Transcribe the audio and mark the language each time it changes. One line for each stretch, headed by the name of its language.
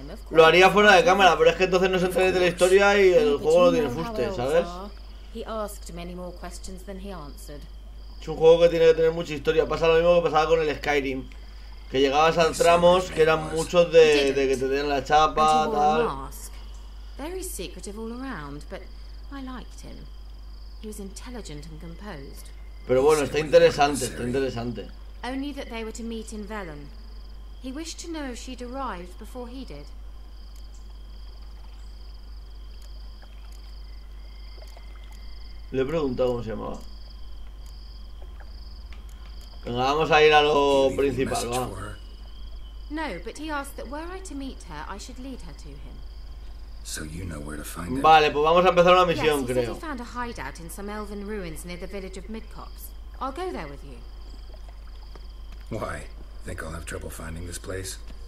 Spanish: Lo haría fuera de cámara, pero es que entonces no se entera de la historia y el juego no tiene fuste, ¿sabes?
English: He asked many more questions than he answered.
Spanish: Es un juego que tiene que tener mucha historia. Pasa lo mismo que pasaba con el Skyrim. Que llegabas a tramos que eran muchos de que te dieran la chapa, tal.
English: Very secretive all around, but I liked him. He was intelligent and composed.
Spanish: Pero bueno, está interesante, está interesante.
English: Only that they were to meet in Velen. He wished to know if she'd arrived before he did.
Spanish: Le he preguntado cómo se llamaba. Venga, vamos a ir a lo principal, ¿va?
English: No, but he asked that were I to meet her, I should lead her to him. So you know where to find
Spanish: her. Vale, pues vamos a empezar una misión,
English: yes,
Spanish: creo.
English: Yes, he found a hideout in some elven ruins near the village of Midcops. I'll go there with you. Why? Think I'll have trouble finding this place?